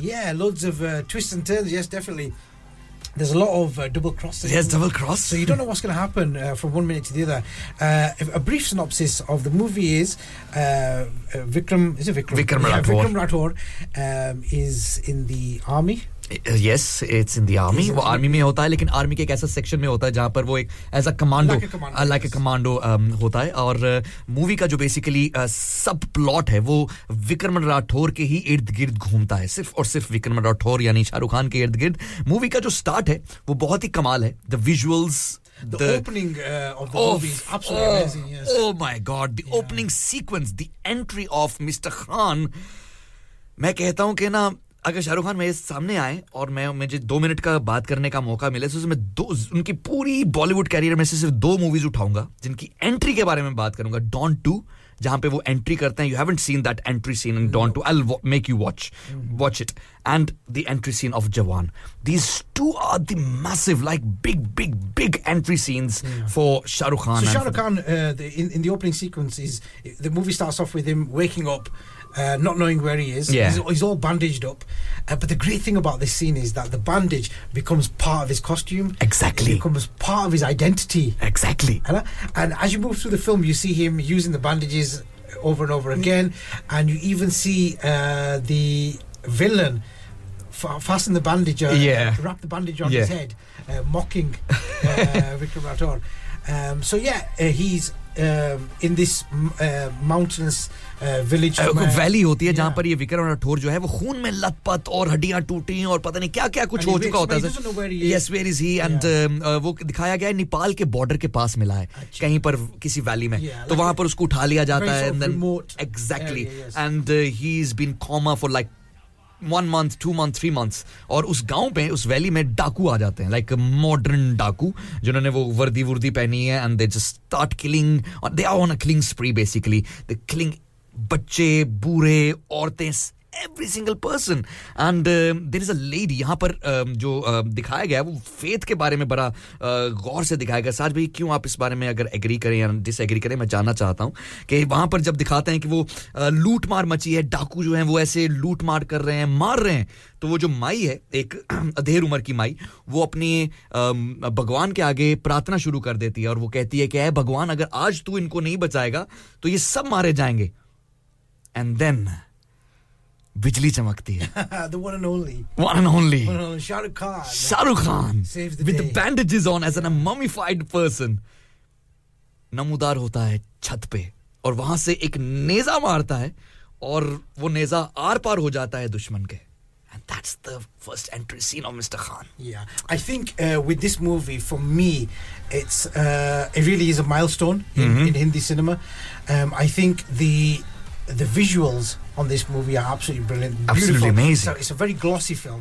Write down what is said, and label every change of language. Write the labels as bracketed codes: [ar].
[en] Yeah, loads of twists and turns. Yes, definitely. There's a lot of double crosses. Yes, double cross. So you don't know what's going to happen from one minute to the other. A brief synopsis of the movie is Vikram Rathore. Vikram Rathore is in the army. Yes, it's in the army. [hi] वो army में होता है, लेकिन army के एक ऐसा section में होता है जहाँ पर वो एक as a commando, [en] like [hi] a commando होता है. और movie का जो basically sub plot है, वो विक्रम राठौर के ही इर्द-गिर्द घूमता है. सिर्फ और सिर्फ विक्रम राठौर, यानी शाहरुख खान के इर्द-गिर्द. Movie का जो start है, वो बहुत ही कमाल है. [en] The visuals, the opening of the movie is absolutely amazing. Yes. Oh my God, the opening sequence, the entry of Mr. Khan. [hi] मैं कहता हूँ कि ना अगर शाहरुख खान मेरे सामने आए और मैं मुझे दो मिनट का बात करने का मौका मिले, तो मैं दो उनकी पूरी बॉलीवुड कैरियर में से सिर्फ दो मूवीज उठाऊंगा जिनकी एंट्री के बारे में बात करूंगा. [en] Don 2, [hi] जहां पे वो एंट्री करते हैं. [en] You haven't seen that entry scene in Don 2. I will make you watch it. And the entry scene of Jawan. These two are the massive, like big big big entry scenes for Shahrukh Khan. Shahrukh Khan in the opening sequences, the movie starts off with him waking up. Not knowing where he is. Yeah. He's all bandaged up. But the great thing about this scene is that the bandage becomes part of his costume. Exactly. It becomes part of his identity. Exactly. And as you move through the film, you see him using the bandages over and over again. And you even see the villain fasten the bandage, wrap the bandage on his head, mocking Vikram Rathore. He's in this mountainous village. [hi] Valley होती है जहाँ पर ये विक्रम राठौर जो है वो खून में लथपथ और हड्डियाँ टूटी और पता नहीं क्या-क्या कुछ हो चुका होता है. [en] Yes, where is he? [hi] And वो दिखाया गया है नेपाल के border के पास मिला है कहीं पर किसी valley में. तो वहाँ पर उसको उठा लिया जाता है. [en] And then exactly. And he's been coma for like 1 month, 2 months, 3 months. [hi] और उस गांव पे, उस वैली में डाकू आ जाते हैं, like modern डाकू, जिन्होंने वो वर्दी वर्दी पहनी है, [en] and they just start killing, and they are on a killing spree basically. They killing बच्चे, बूढ़े, औरतें, every single person. And there is a lady [hi] यहाँ पर जो दिखाया गया है, वो faith के बारे में बड़ा गौर से दिखाया गया. साज भाई, क्यों आप इस बारे में अगर agree करें या disagree करें, मैं जानना चाहता हूँ कि वहाँ पर जब दिखाते हैं कि वो लूट मार मची है, डाकू जो हैं वो ऐसे लूट मार कर रहे हैं, मार रहे हैं, तो वो जो माई है, एक अधेड़ उम्र की माई, वो अपने भगवान के आगे प्रार्थना शुरू कर देती है और वो कहती है कि ऐ भगवान, अगर आज तू इनको नहीं बचाएगा तो ये सब मारे जाएंगे. [en] and then [hi] बिजली चमकती है. [en] The one and only. Shahrukh Khan. Shahrukh Khan. Saves the with day. The bandages on as a mummified person. [hi] नमूदार होता है छत पे और वहां से एक नेजा मारता है और वो नेजा आर पार हो जाता है दुश्मन के. [en] And that's the first entry scene of Mr. Khan. Yeah. I think with this movie, for me, it's it really is a milestone in Hindi cinema. I think the visuals on this movie are absolutely brilliant. Absolutely beautiful. Amazing. It's a very glossy film.